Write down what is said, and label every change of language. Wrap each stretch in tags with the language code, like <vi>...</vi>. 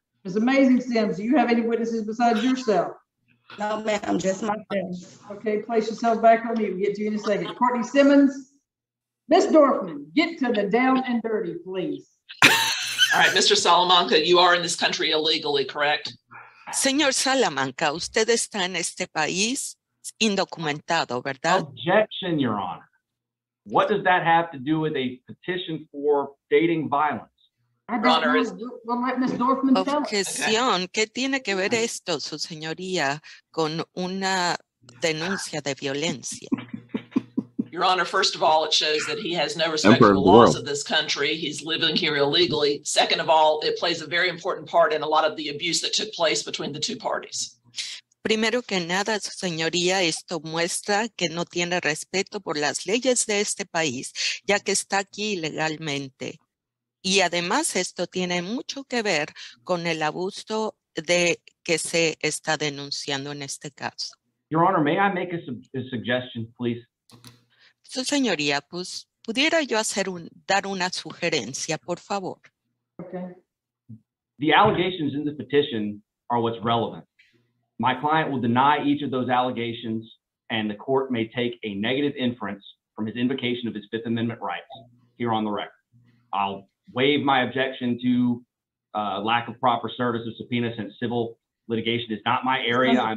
<en>Miss Amazing Sims, do you have any witnesses besides yourself? No, ma'am, just my friend. Okay, place yourself back on mute. We'll get to you in a second. Courtney Simmons, Ms. Dorfman, get to the down and dirty, please. All right, Mr. Salamanca, you are in this country illegally, correct?</en> <es>Señor Salamanca, usted está en este país indocumentado, ¿verdad?</es> <en>Objection, Your Honor. What does that have to do with a petition for dating violence?</en> <es>Objeción. ¿Qué tiene que ver esto, su señoría, con una denuncia de violencia?</es> <en>Your Honor, first of all, it shows that he has no respect for the laws of this country. He's living here illegally. Second of all, it plays a very important part in a lot of the abuse that took place between the two parties.</en> <es>Primero que nada, su señoría, esto muestra que no tiene respeto por las leyes de este país, ya que está aquí ilegalmente. Y además esto tiene mucho que ver con el abuso de que se está denunciando en este caso.</es> <en>Your Honor, may I make a suggestion, please?</en> <es>Su señoría, pues pudiera yo hacer dar una sugerencia, por favor.</es> <en>Okay. The allegations in the petition are what's relevant. My client will deny each of those allegations, and the court may take a negative inference from his invocation of his Fifth Amendment rights here on the record. I'll waive my objection to lack of proper service of subpoena, since civil litigation is not my area.</en>